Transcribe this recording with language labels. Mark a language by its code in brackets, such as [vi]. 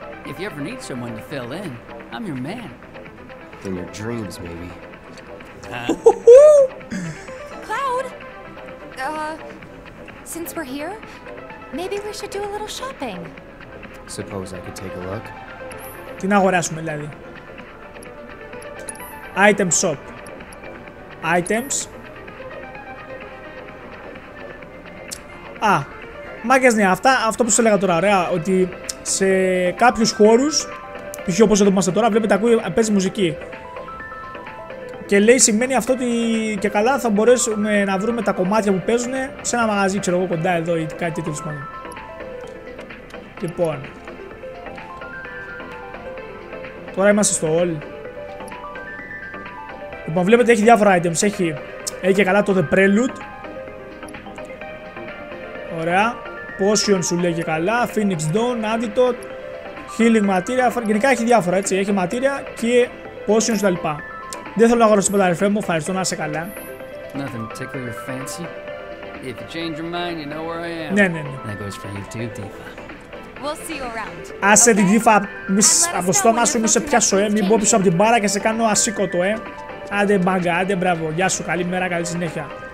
[en] If you ever need someone to fill in, I'm your man. In your dreams, baby. Cloud! Since we're here, maybe we should do a little shopping. Suppose I could take a look. [el] Τι να αγοράσουμε, δηλαδή. [en] Item shop. Items. [el] Α, μάγκες, ναι, αυτό που σου έλεγα τώρα, ωραία, ότι σε κάποιους χώρους, π.χ. όπως εδώ που είμαστε τώρα, βλέπετε, ακούει, παίζει μουσική. Και λέει, σημαίνει αυτό ότι και καλά θα μπορέσουμε να βρούμε τα κομμάτια που παίζουν σε ένα μαγαζί, ξέρω εγώ, κοντά εδώ ή κάτι τέτοιο, σημαίνει. Λοιπόν, τώρα είμαστε στο all. Λοιπόν, βλέπετε, έχει διάφορα items, έχει και καλά το The Prelude. Ωραία, Potion σου λέει και καλά, Phoenix Dawn, Antidote, Healing Materia, γενικά έχει διάφορα, έτσι, έχει Materia και Potion σου τα λοιπά. Δεν θέλω να αγοράσω τίποτα, αδερφέ μου, ευχαριστώ, να είσαι καλά. [en] Nothing to tickle your fancy. If you change your mind, you know where I am. [el] Ναι, ναι, ναι. [en] That goes for you too, Tifa. We'll see you around. [el] Άσε την Tifa από στόμα σου, μη σε πιάσω, μη μπω πίσω από την μπάρα και σε κάνω ασήκωτο, Άντε μπάγκα, άντε μπράβο, γεια σου, καλή μέρα, καλή συνέχεια.